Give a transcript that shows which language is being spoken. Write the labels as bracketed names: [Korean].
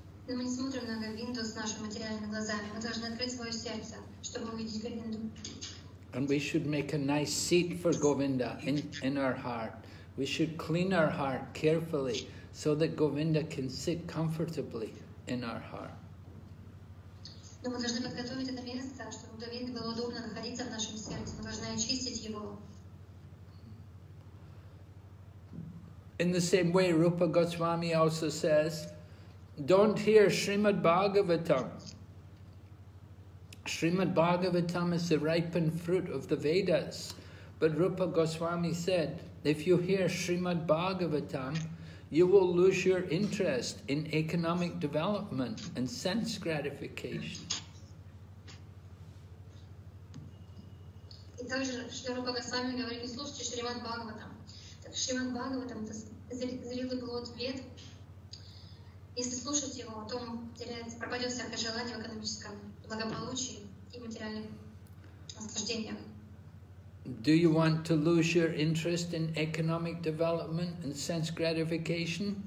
[Russian] Мы не смотрим на Говинду с нашими материальными глазами. Мы должны открыть свое сердце, чтобы увидеть Говинду. [English] And we should make a nice seat for Govinda in our heart. We should clean our heart carefully so that Govinda can sit comfortably in our heart. [Russian] Но мы должны подготовить это место, чтобы Говинде было удобно находиться в нашем сердце. Мы должны очистить его. [English] In the same way, Rupa Goswami also says, don't hear Srimad Bhagavatam. Srimad Bhagavatam is the ripened fruit of the Vedas. But Rupa Goswami said, if you hear Srimad Bhagavatam, you will lose your interest in economic development and sense gratification. [Russian] И также Шри Рупа Госвами говорит, не слушайте Шримад Бхагаватам. Так Шримад Бхагаватам это зрелый плод вед. Если слушать его, то теряется, пропадет всякое желание в экономическом благополучии и материальных наслаждениях. [English] Do you want to lose your interest in economic development and sense gratification?